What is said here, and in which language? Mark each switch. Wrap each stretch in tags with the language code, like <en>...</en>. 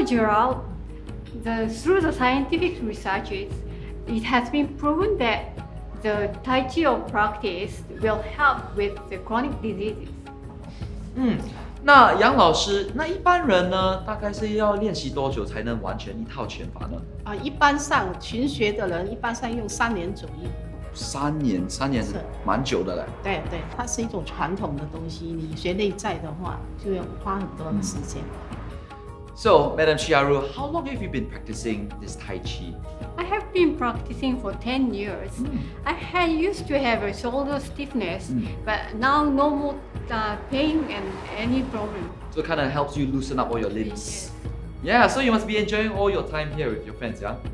<en>Jerald, through the scientific researches, it has been proven that the Tai Chi of practice will help with the chronic diseases.</en> <zh>那楊老師,那一般人呢,大概是要練習多久才能完全一套拳法呢? 一般上,群學的人一般上用三年左右。三年,三年,蠻久的勒。對,它是一種傳統的東西,你學內在的話,就要花很多的時間。</zh> <en>So, Madam Xiaoru, how long have you been practicing this Tai Chi? I have been practicing for 10 years. I had used to have a shoulder stiffness, but now no more pain and any problem. So it kind of helps you loosen up all your limbs. Yes. Yeah, so you must be enjoying all your time here with your friends, yeah?</en>